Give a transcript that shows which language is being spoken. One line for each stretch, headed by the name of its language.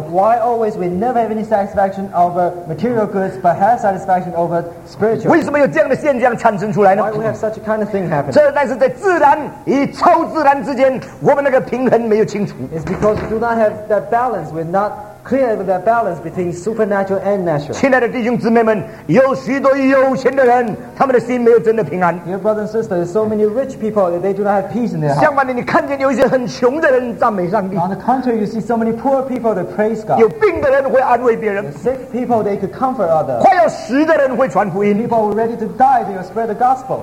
English: But why always we never have any satisfaction over material goods, but have satisfaction over spiritual?
Chinese: 为什么有这样的现象产生出来呢？
English: Why we have such a kind of thing happen?
Chinese: 这但是在自然与超自然之间，我们那个平衡没有清楚。
English: Because we do not have that balance, we're not clear with that balance between supernatural and natural.
Chinese: 亲爱的弟兄姊妹们，有许多有钱的人，他们的心没有真的平安。
English: Dear brothers and sisters, there's so many rich people that they do not have peace in their heart.
Chinese: 相反的，你看见有一些很穷的人赞美上帝。
English: On the contrary, you see so many poor people that praise God.
Chinese: 有病的人会安慰别人。
English: Sick people, they could comfort others.
Chinese: 快要死的人会传福音。
English: People who are ready to die, they will spread the gospel.